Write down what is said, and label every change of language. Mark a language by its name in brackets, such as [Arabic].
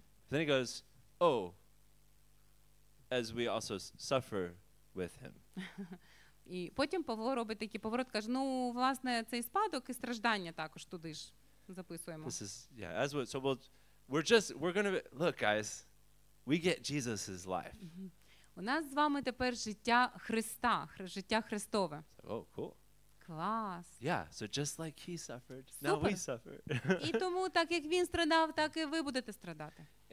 [English] Then he goes, oh, as we also suffer with him. [Ukrainian] І потім Павло робить такий поворот, каже, ну, власне, цей спадок і страждання також туди ж записуємо. [English] This is, yeah, as well, so we're going to, look, guys, we get Jesus' life. [Ukrainian] У нас з вами тепер життя Христа, життя Христове. [English] Oh, cool. [Ukrainian] Клас. [English] Yeah, so just like he suffered, Super. Now we suffer. [Ukrainian] І тому, так як він страдав, так і ви будете страдати.